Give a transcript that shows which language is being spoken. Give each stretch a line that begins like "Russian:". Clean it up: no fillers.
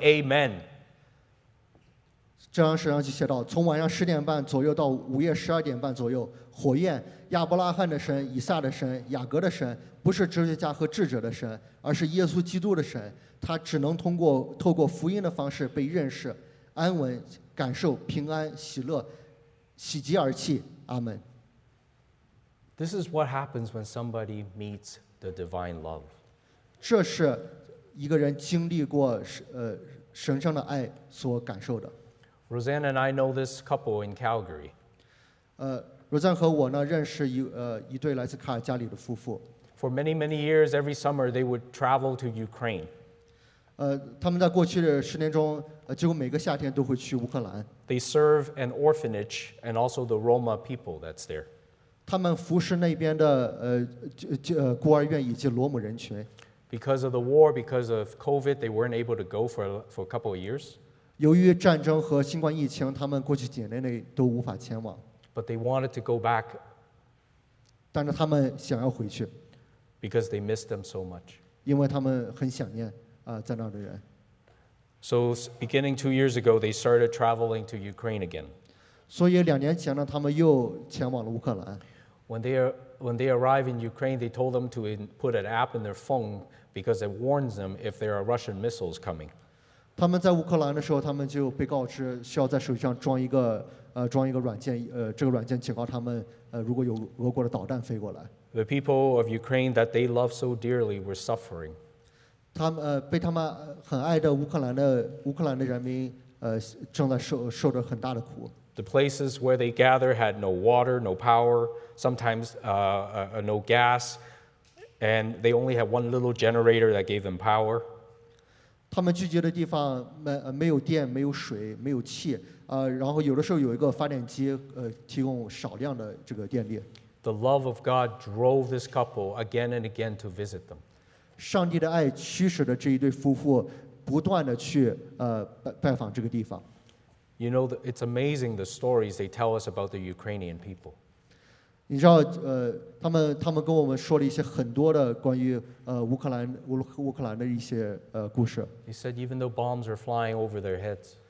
English: Amen.
Chinese: 这张纸上就写到，从晚上十点半左右到午夜十二点半左右，火焰，亚伯拉罕的神，以撒的神，雅各的神，不是哲学家和智者的神，而是耶稣基督的神。他只能透过福音的方式被认识、安稳、感受、平安、喜乐、喜极而泣。阿门。
English: This is what happens when somebody meets the divine love.
Chinese: 这是一个人经历过神圣的爱所感受的。
English: Roseanne and I know this couple in Calgary.
Chinese: Roseanne 和我呢认识一对来自卡尔加里的夫妇。
English: For many, many years, every summer, they would travel to Ukraine.
Chinese: 他们在过去的十年中，几乎每个夏天都会去乌克兰。
English: They serve an orphanage and also the Roma people that's there.
Chinese: 他们服侍那边的孤儿院以及罗姆人群。
English: Because of the war, because of COVID, they weren't able to go for a couple of years.
Chinese: 由于战争和新冠疫情，他们过去几年内都无法前往。
English: But they wanted to go back.
Chinese: 但是他们想要回去。
English: Because they missed them so much.
Chinese: 因为他们很想念在那儿的人。
English: So beginning 2 years ago, they started traveling to Ukraine again.
Chinese: 所以两年前呢，他们又前往了乌克兰。
English: When they arrive in Ukraine, they told them to put an app in their phone because it warns them if there are Russian missiles coming.
Chinese: 他们在乌克兰的时候，他们就被告知需要在手机上装一个软件，这个软件警告他们，如果有俄国的导弹飞过来。
English: The people of Ukraine that they love so dearly were suffering.
Chinese: 他们被他们很爱的乌克兰的人民正在受着很大的苦。
English: The places where they gather had no water, no power, sometimes no gas, and they only had one little generator that gave them power.
Chinese: 他们聚集的地方没有电，没有水，没有气，然后有的时候有一个发电机，提供少量的这个电力。
English: The love of God drove this couple again and again to visit them.
Chinese: 上帝的爱驱使着这一对夫妇不断的去拜访这个地方。
English: You know, it's amazing the stories they tell us about the Ukrainian people.
Chinese: 你知道，他们跟我们说了一些很多的关于乌克兰的一些故事。
English: He said even though bombs are flying over their heads.